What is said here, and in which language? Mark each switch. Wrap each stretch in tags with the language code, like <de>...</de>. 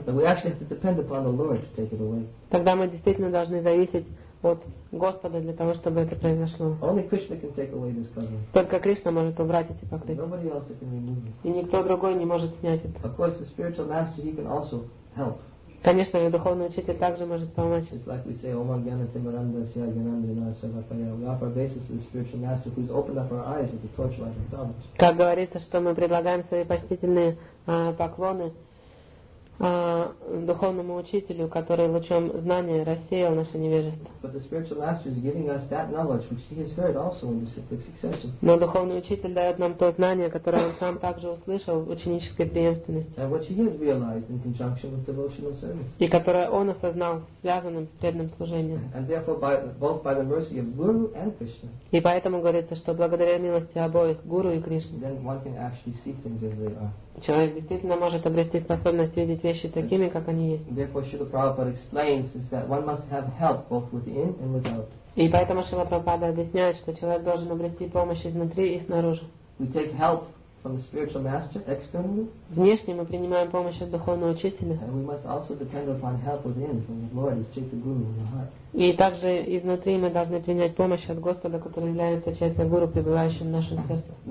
<en>We actually have to depend upon the Lord to take it away.</en> <ru>Тогда мы действительно должны зависеть от Господа для того, чтобы это произошло.</ru> <en>Only Krishna can take away this covering.</en> <ru>Только Кришна может убрать эти покрытия.</ru> <en>Nobody else can remove it.</en> <ru>И никто другой не может снять это.</ru> <en>Of course, the spiritual master he can also help.</en> <ru>Конечно, и духовный учитель также может помочь.</ru> <en>It's like we say,</en> <sa>Om Gyana Timaranda Siya Gyanandana Savapaya.</sa> <en>We offer basis to the spiritual master who's opened up our eyes with the torchlight of knowledge.</en> <ru>Как говорится, что мы предлагаем свои почтительные поклоны духовному учителю, который лучом знания рассеял наше невежество.</ru> <en>But the spiritual master is giving us that knowledge which he has heard also in the cyclic succession.</en> <ru>Но духовный учитель дает нам то знание, которое он сам также услышал в ученической преемственности.</ru> <en>And which he has realized in conjunction with devotional service.</en> <ru>И которое он осознал связанным с преданным служением.</ru> <en>And therefore by, both by the mercy of Guru and Krishna.</en> <ru>И поэтому говорится, что благодаря милости обоих, Гуру и Кришне,</ru> <en>then one can actually see things as they are.</en> <ru>Человек действительно может обрести способность видеть вещи такими, как они есть.</ru> <en>Therefore, Śrīla Prabhupāda explains is that one must have help both within and without.</en> <ru>И поэтому Śrīla Prabhupāda объясняет, что человек должен обрести помощь изнутри и снаружи.</ru> <en>We take help from the spiritual master externally.</en> <ru>Внешне мы принимаем помощь от духовного учителя.</ru> <en>And we must also depend upon help within from the Lord, His Chaitanya Guru in the heart.</en> <ru>И также изнутри мы должны принять помощь от Господа, который является частью Гуру, пребывающим в нашем сердце.</ru>